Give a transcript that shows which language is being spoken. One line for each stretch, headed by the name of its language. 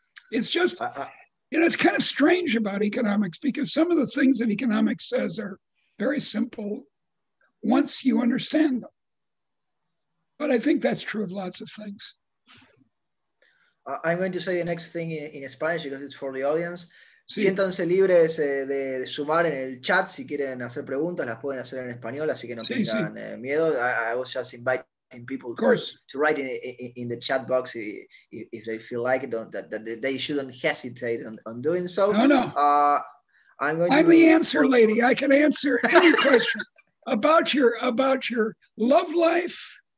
English: It's just, it's kind of strange about economics, because some of the things that economics says are very simple once you understand them. But I think that's true of lots of things. I'm going to say the next thing in Spanish, because it's for the audience.
Spanish: Sí. Siéntanse libres de sumar en el chat. Si quieren hacer preguntas, las pueden hacer en español, así que no tengan miedo.
English: I was just inviting people to write in the chat box if they feel like it, that they shouldn't hesitate on doing so. I'm the answer lady. I can answer any question about your love life.